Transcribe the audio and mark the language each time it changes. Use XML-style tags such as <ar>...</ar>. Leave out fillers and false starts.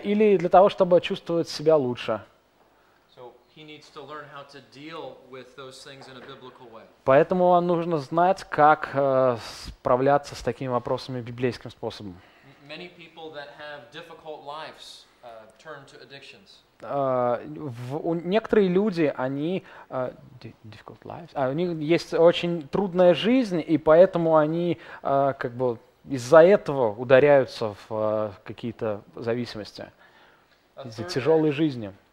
<ru>Или для того, чтобы чувствовать себя лучше.</ru> <en>So he needs to learn how to deal with those things in a biblical way.</en> <ru>Поэтому он нужно знать, как справляться с такими вопросами библейским способом.</ru> <en>Many people that have difficult lives turn to addictions.</en> <ru>Некоторые люди, они</ru> <en>difficult lives,</en> <ru>у них есть очень трудная жизнь, и поэтому они как бы из-за этого ударяются в какие-то зависимости, из-за тяжелой жизни.</ru>